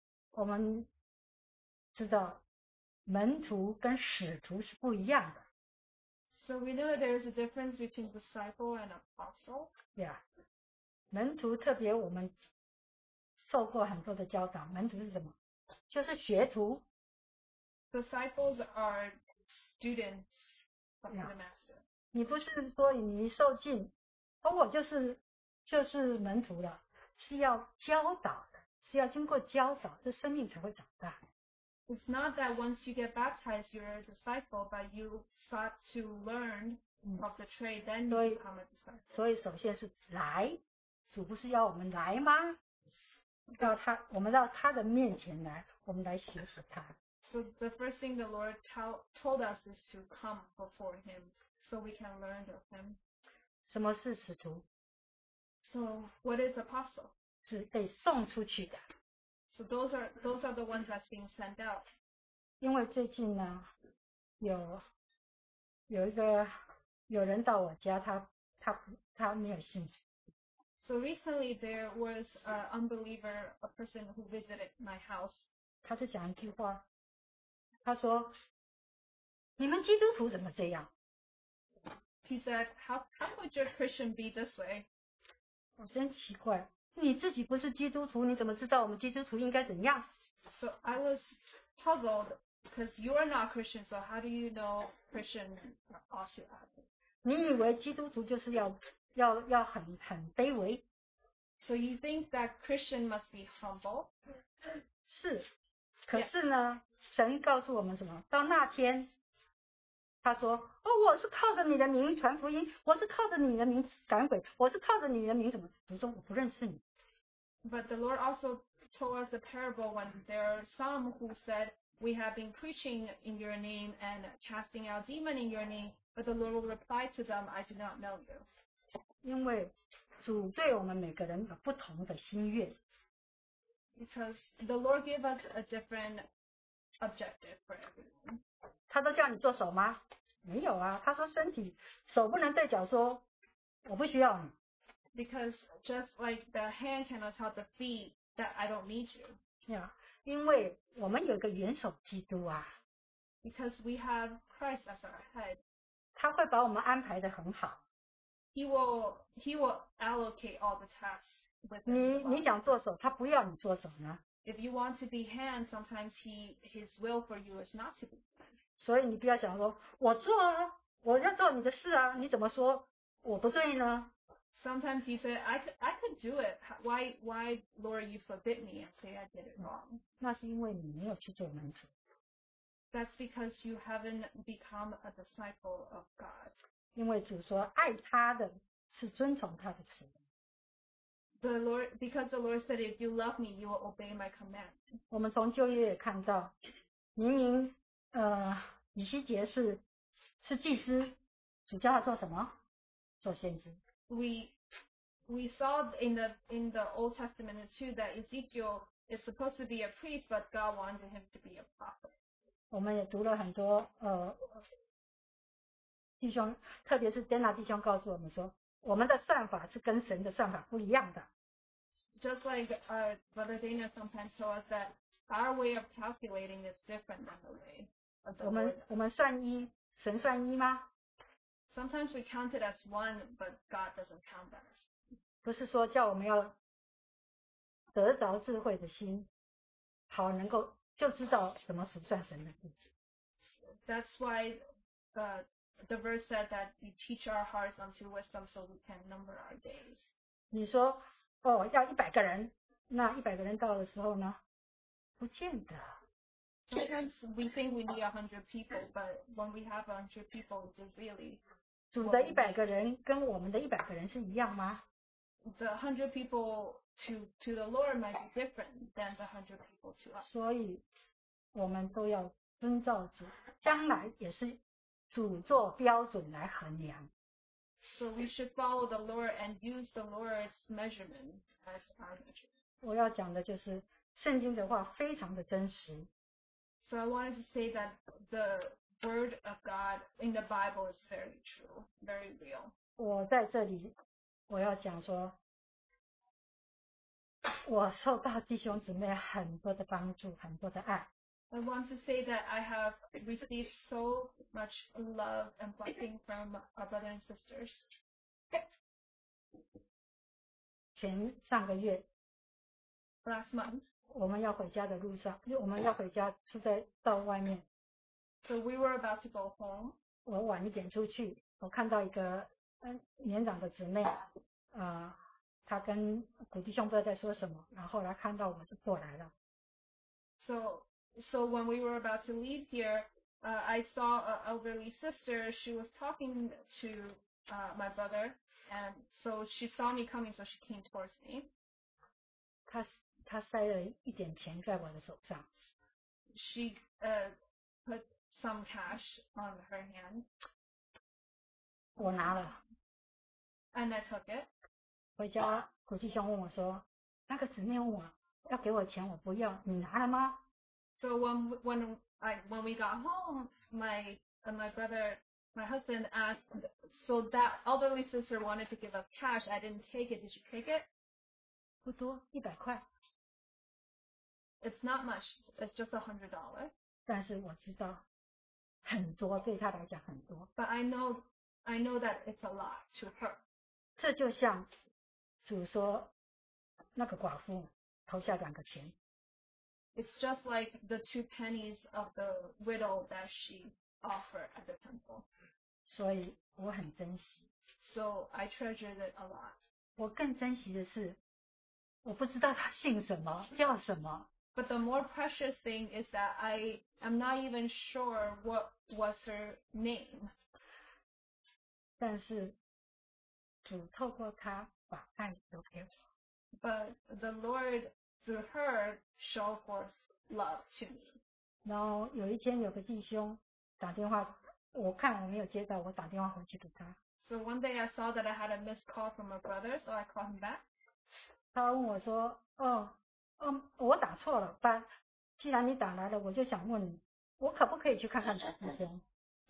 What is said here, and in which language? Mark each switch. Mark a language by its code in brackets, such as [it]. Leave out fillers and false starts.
[zh] 我们知道门徒跟使徒是不一样的。 [en] So we know that there is a difference between disciple and apostle. Yeah. [zh] 门徒特别我们受过很多的教导，门徒是什么？就是学徒。 [en] Disciples are students from the master. [zh] 你不是说你受浸，我就是门徒了，是要教导的，是要经过教导，这生命才会长大。 [en] It's not that once you get baptized, you're a disciple, but you start to learn of the trade, then you become a disciple. [zh] 所以首先是来，主不是要我们来吗？到他，我们到他的面前来，我们来学习他。 [en] So the first thing the Lord told us is to come before Him, so we can learn of Him. [zh] 什么是使徒？ [en] So what is apostle? [zh] 是被送出去的。 [en] So those are the ones that's being sent out. [zh] 因为最近呢，有人到我家，他没有信主。 [en] So recently there was an unbeliever, a person who visited my house. [zh] 他就讲一句话，他说，你们基督徒怎么这样？ [en] He said, how could your Christian be this way? [zh] 我真奇怪，你自己不是基督徒，你怎么知道我们基督徒应该怎样？ [en] So I was puzzled because you are not Christian, so how do you know Christian ought to act? [zh] 你以为基督徒就是要很卑微。 [en] So you think that Christian must be humble? [zh] 是，可是呢， [en] yeah. [zh] 神告诉我们什么？到那天，他说：“哦，我是靠着你的名传福音，我是靠着你的名赶鬼，我是靠着你的名什么？” 我说：“我不认识你。” [en] But the Lord also told us a parable when there are some who said, "We have been preaching in your name and casting out demon in your name," but the Lord will reply to them, "I do not know you." [zh] 因为主对我们每个人有不同的心愿。 [en] Because the Lord gave us a different objective for everyone. [zh] 他都叫你做手吗？没有啊，他说身体，手不能对脚说，我不需要你。 [en] Because just like the hand cannot tell the feet that I don't need you. Yeah, [zh] 因为我们有个元首基督啊。 [en] Because we have Christ as our head. 他会把我们安排得很好。 He will allocate all the tasks with him. [zh] 你想做手，他不要你做手呢。 [en] If you want to be hand, sometimes his will for you is not to be hand. [zh] 所以你不要想说，我做啊，我要做你的事啊，你怎么说我不对呢？ [en] Sometimes you say, I could do it. Why, Lord, you forbid me and say I did it wrong? [zh] 那是因为你没有去做门徒。 [en] That's because you haven't become a disciple of God. [zh] 因为主说爱他的是遵从他的旨意。 [en] The Lord, because the Lord said, if you love me, you will obey my command. [zh] 我们从旧约也看到，明明以西结是祭司，主叫他做什么？做先知。 [en] We saw in the Old Testament too that Ezekiel is supposed to be a priest, but God wanted him to be a prophet. [zh] 我们也读了很多弟兄，特别是 Dana 弟兄告诉我们说，我们的算法是跟神的算法不一样的。 [en] Just like Brother Dana sometimes told us that our way of calculating is different than the way. [zh] 我们算一，神算一吗？ [en] Sometimes we count it as one, but God doesn't count as. [zh] 不是说叫我们要得着智慧的心，好能够就知道怎么数算神的日子。 [en] That's why the verse said that we teach our hearts unto wisdom so we can number our days. [zh] 你说哦，要一百个人，那一百个人到的时候呢，不见得。 [en] Sometimes we think we need 100 people, but when we have 100 people, it's really. [zh] 主的一百个人跟我们的一百个人是一样吗？ [en] The 100 people to the Lord might be different than the 100 people to us. [zh] 所以我们都要遵照主，将来也是主做标准来衡量。 [en] So we should follow the Lord and use the Lord's measurement as our measure. [zh] 我要讲的就是圣经的话非常的真实。 [en] So I wanted to say that the word of God in the Bible is very true, very real. [zh] 我在这里，我要讲说，我受到弟兄姊妹很多的帮助，很多的爱。 [en] I want to say that I have received so much love and blessing from our brothers and sisters. [zh] 前上个月 [en] ，last month， [zh] 我们要回家的路上，我们要回家，出在到外面。 [en] So we were about to go home. [zh] 我晚一点出去，我看到一个年长的姊妹，她跟古弟兄不知道在说什么，然后来看到我就过来了。 [en] So when we were about to leave here, I saw an elderly sister. She was talking to my brother, and so she saw me coming, so she came towards me. [zh] 她塞了一点钱在我的手上。 [en] She put some cash on her hand. [zh] 我拿了。 [en] And I took it. [zh] 回家，古弟兄问我说：“那个姊妹问我要给我钱，我不要，你拿了吗？” [en] So when we got home, my husband asked, so that elderly sister wanted to give up cash. I didn't take it. Did you take it? [zh] 不多，一百块。 [en] It's not much. It's just $100. [zh] 但是我知道很多，对他来讲很多。 [en] But I know that it's a lot to her. [zh] 这就像主说那个寡妇投下两个钱。 [en] It's just like the two pennies of the widow that she offered at the temple. [zh] 所以我很珍惜。 [en] So I treasured it a lot. [zh] 我更珍惜的是，我不知道他姓什么，叫什么。 [en] But the more precious thing is that I am not even sure what was her name. [zh] 但是主透过他把爱留给我。 [en] But the Lord through her show forth love to me. [zh] 然后有一天有个弟兄打电话，我看我没有接到，我打电话回去给他。 [en] So one day I saw that I had a missed call from my brother, so I called him back. [zh] 他问我说：“我打错了，但既然你打来了，我就想问你，我可不可以去看看弟兄？”